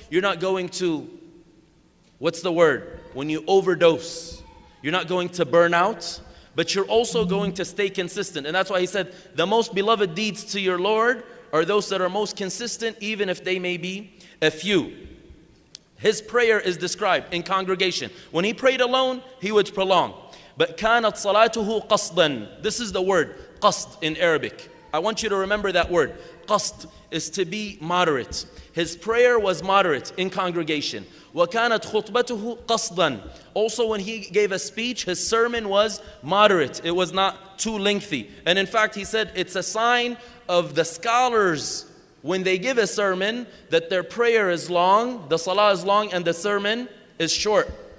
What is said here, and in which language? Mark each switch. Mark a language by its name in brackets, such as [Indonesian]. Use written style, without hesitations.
[English] You're not going to, what's the word? When you overdose, you're not going to burn out, but you're also going to stay consistent. And that's why he said, the most beloved deeds to your Lord are those that are most consistent, even if they may be a few. His prayer is described in congregation. When he prayed alone, he would prolong. But [Arabic] كانت صلاته قصداً. [English] This is the word, قصد in Arabic. I want you to remember that word. قصد is to be moderate. His prayer was moderate in congregation. [Arabic] وكانت خطبته قصداً. [English] Also when he gave a speech, his sermon was moderate. It was not too lengthy. And in fact, he said it's a sign of the scholars when they give a sermon that their prayer is long, the salah is long, and the sermon is short.